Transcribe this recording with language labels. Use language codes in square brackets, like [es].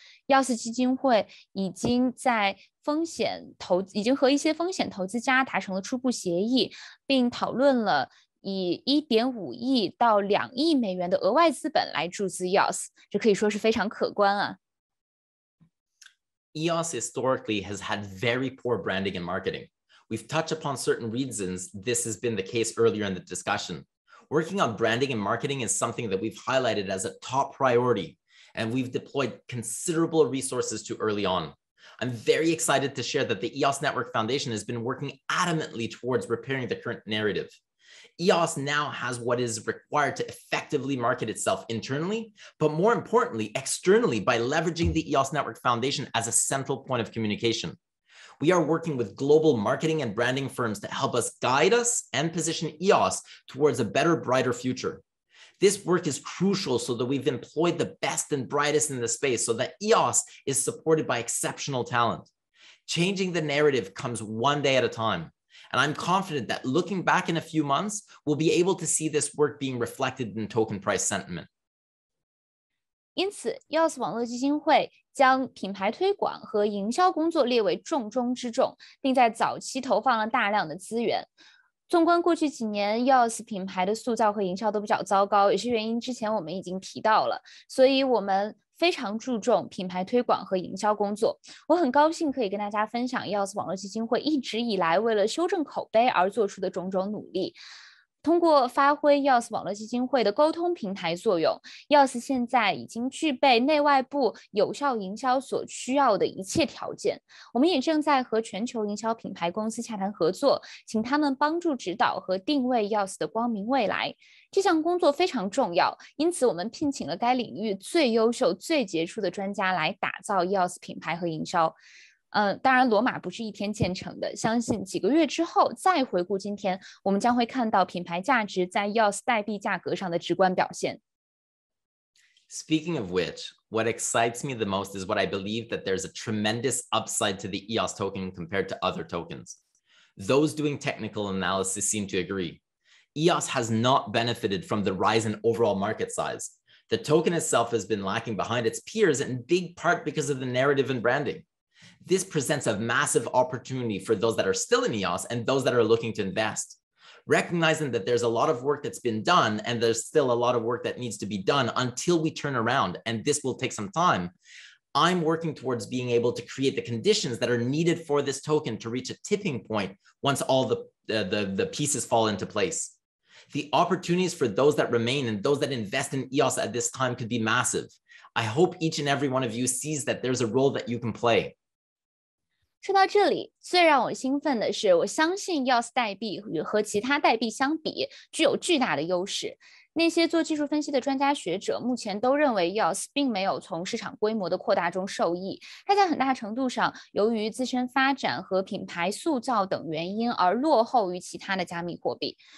[zh] EOS 基金会已经在风险投已经和一些风险投资家达成了初步协议，并讨论了以$1.5亿到$2亿的额外资本来注资 EOS， 这可以说是非常可观啊。 [en] EOS historically has had very poor branding and marketing. We've touched upon certain reasons this has been the case earlier in the discussion. Working on branding and marketing is something that we've highlighted as a top priority, and we've deployed considerable resources to early on. I'm very excited to share that the EOS Network Foundation has been working adamantly towards repairing the current narrative. EOS now has what is required to effectively market itself internally, but more importantly, externally by leveraging the EOS Network Foundation as a central point of communication. We are working with global marketing and branding firms to help us guide us and position EOS towards a better, brighter future. This work is crucial so that we've employed the best and brightest in the space so that EOS is supported by exceptional talent. Changing the narrative comes one day at a time. And I'm confident that looking back in a few months, we'll be able to see this work being reflected in token price sentiment. [zh] 因此 ,EOS 网络基金会将品牌推广和营销工作列为重中之重，并在早期投放了大量的资源。纵观过去几年 EOS 品牌的塑造和营销都比较糟糕，有些原因之前我们已经提到了，所以我们非常注重品牌推广和营销工作。我很高兴可以跟大家分享 EOS 网络基金会一直以来为了修正口碑而做出的种种努力。通过发挥 EOS 网络基金会的沟通平台作用， EOS 现在已经具备内外部有效营销所需要的一切条件。我们也正在和全球营销品牌公司洽谈合作，请他们帮助指导和定位 EOS 的光明未来。这项工作非常重要，因此我们聘请了该领域最优秀最杰出的专家来打造 EOS 品牌和营销。当然罗马不是一天建成的，相信几个月之后再回顾今天，我们将会看到品牌价值在 EOS 代币价格上的直观表现。 [en] Speaking of which, what excites me the most is what I believe that there's a tremendous upside to the EOS token compared to other tokens. Those doing technical analysis seem to agree. EOS has not benefited from the rise in overall market size. The token itself has been lacking behind its peers in big part because of the narrative and branding. This presents a massive opportunity for those that are still in EOS and those that are looking to invest. Recognizing that there's a lot of work that's been done and there's still a lot of work that needs to be done until we turn around, and this will take some time, I'm working towards being able to create the conditions that are needed for this token to reach a tipping point once all the pieces fall into place. The opportunities for those that remain and those that invest in EOS at this time could be massive. I hope each and every one of you sees that there's a role that you can play. [zh] 说到这里，最让我兴奋的是，我相信 EOS 代币和其他代币相比具有巨大的优势。那些做技术分析的专家学者目前都认为 EOS 并没有从市场规模的扩大中受益，它在很大程度上由于自身发展和品牌塑造等原因而落后于其他的加密货币。